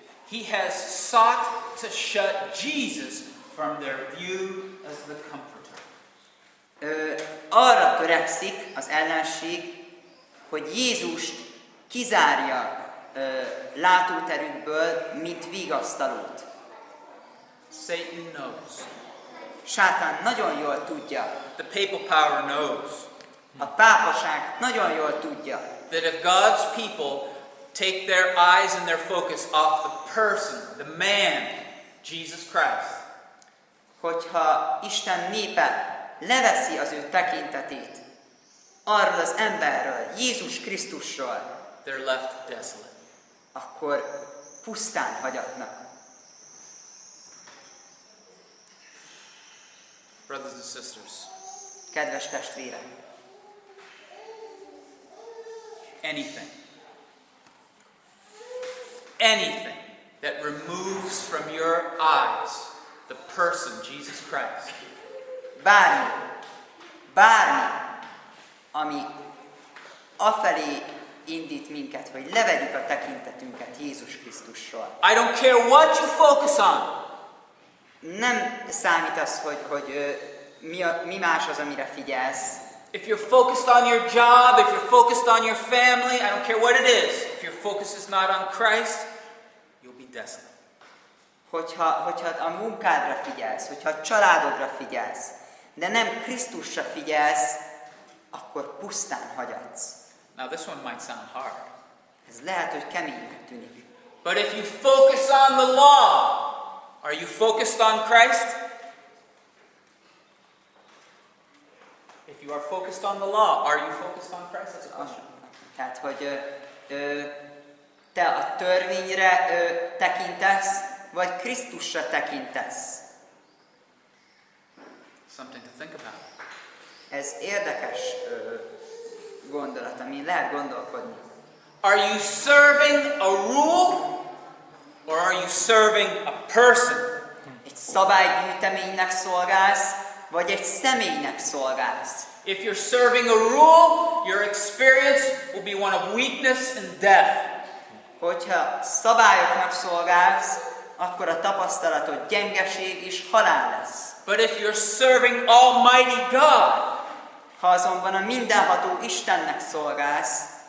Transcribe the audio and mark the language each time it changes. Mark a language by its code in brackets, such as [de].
[en] He has sought to shut Jesus from their view as the comforter. [hu] Arra törekszik az ellenség, hogy Jézust kizárja látóterükből, mint vigasztalót. [en] Satan knows. [hu] Sátán nagyon jól tudja. [en] The papal power knows. [hu] A pápaság nagyon jól tudja. [en] That if God's people take their eyes and their focus off the person, the man, Jesus Christ. [hu] Hogyha Isten népe leveszi az ő tekintetét arról az emberről, Jézus Krisztusról, [en] they're left desolate. [hu] Akkor pusztán hagyatnak. [en] Brothers and sisters. [hu] Kedves testvérek. [en] Anything. Anything that removes from your eyes the person Jesus Christ. [hu] Bármi. Bármi, ami afelé indít minket, hogy levegyük a tekintetünket Jézus Krisztussal. [en] I don't care what you focus on. [hu] Nem számít az, hogy mi más az, amire figyelsz. [en] If you're focused on your job, if you're focused on your family, I don't care what it is. If your focus is not on Christ, you'll be desolate. [hu] Hogyha a munkádra figyelsz, hogyha a családodra figyelsz, de nem Krisztusra figyelsz, akkor pusztán hagyatsz. [en] Now this one might sound hard. [hu] Ez lehet, hogy keménynek tűnik. [en] But if you focus on the law, are you focused on Christ? If you are focused on the law, are you focused on Christ? That's a question. [hu] Tehát, hogy te a törvényre tekintesz, vagy Krisztusra tekintesz? [en] Something to think about. [hu] Ez érdekes gondolat, amin lehet gondolkodni. [en] Are you serving a rule or are you serving a person? [hu] Egy szabálygyűjteménynek szolgálsz, vagy egy személynek szolgálsz? [en] If you're serving a rule, your experience will be one of weakness and death. [hu] Hogyha szabályoknak szolgálsz, akkor a tapasztalatod gyengeség és halál lesz. [en] But if you're serving Almighty God, [hu] ha azonban a mindenható Istennek szolgálsz,